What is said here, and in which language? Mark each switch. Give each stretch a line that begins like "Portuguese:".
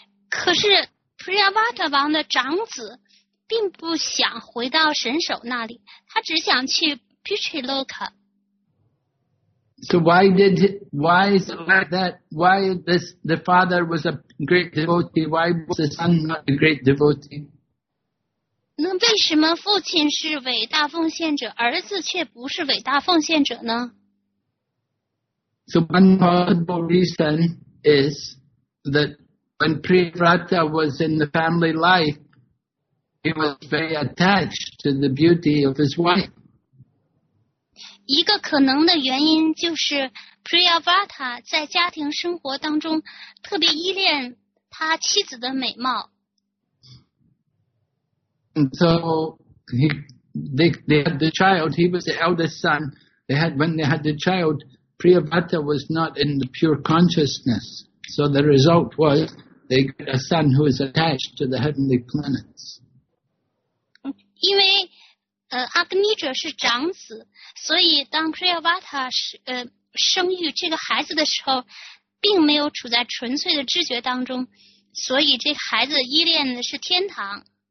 Chinese: 可是 Priyavrata 王的长子并不想回到神手那里，他只想去 Pitriloka.
English: So why is it like that? Why this, the father was a great devotee, why was the son not a great devotee?
Chinese: 那为什么父亲是伟大奉献者，儿子却不是伟大奉献者呢？
English: So one possible reason is that when Priyavrata was in the family life, he was very attached to the beauty of his wife.
Chinese: 一个可能的原因就是Priyavrata 在家庭生活当中特别依恋他妻子的美貌。
English: So they had the child, he was the eldest son. When they had the child, Priyavrata was not in the pure consciousness. So the result was they got a son who is attached to the heavenly planets.
Chinese: 因为阿格尼者是长子，所以当 Priyavrata 生育这个孩子的时候，并没有处在纯粹的知觉当中，所以这个孩子依恋的是天堂。